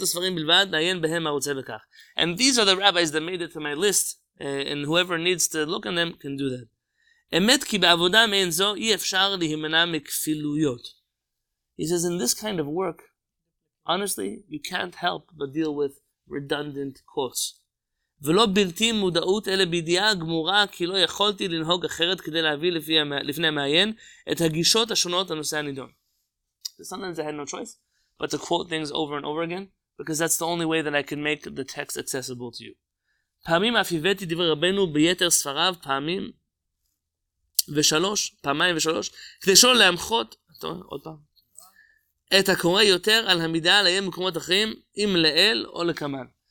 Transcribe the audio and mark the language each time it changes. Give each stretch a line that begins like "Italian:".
English: And these are the rabbis that made it to my list, and whoever needs to look in them can do that. He says, in this kind of work, honestly, you can't help but deal with redundant quotes.
Hebrew: ולא בלתי מודעות אלה בידיעה גמורה כי לא יכולתי לנהוג אחרת כדי להביא לפי, לפני המעיין את הגישות השונות לנושא הנידון.
English: Sometimes I had no choice but to quote things over and over again because that's the only way that I can make the text accessible to you.
Hebrew: פעמים אף הבאתי דבר רבנו ביתר ספריו פעמים ושלוש, פעמיים ושלוש כדי שלא להמחות עוד פעם את הקורא יותר על המידה להיה מקומות אחרים אם לאל או לקמן.